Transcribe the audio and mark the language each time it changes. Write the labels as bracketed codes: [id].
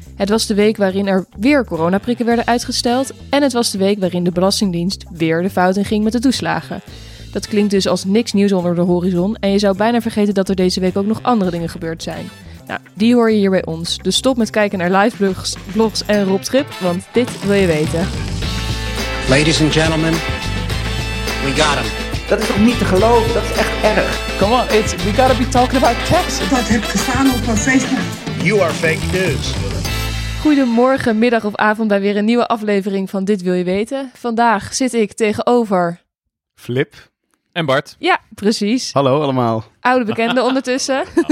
[nl] Het was de week waarin er weer coronaprikken werden uitgesteld. En het was de week waarin de Belastingdienst weer de fout in ging met de toeslagen. Dat klinkt dus als niks nieuws onder de horizon en je zou bijna vergeten dat er deze week ook nog andere dingen gebeurd zijn. Nou, die hoor je hier bij ons. Dus stop met kijken naar liveblogs, blogs en Rob Trip, want dit wil je weten. [en] Ladies and gentlemen, we got him. [nl] Dat is toch niet te geloven? Dat is echt erg. [en] Come on, it's, we gotta be talking about text. [nl] Dat heb ik gestaan op mijn Facebook. [en] You are fake news. [nl] Goedemorgen, middag of avond bij weer een nieuwe aflevering van Dit Wil Je Weten. Vandaag zit ik tegenover... Flip. En Bart. Ja, precies. Hallo allemaal. Oude bekenden ondertussen.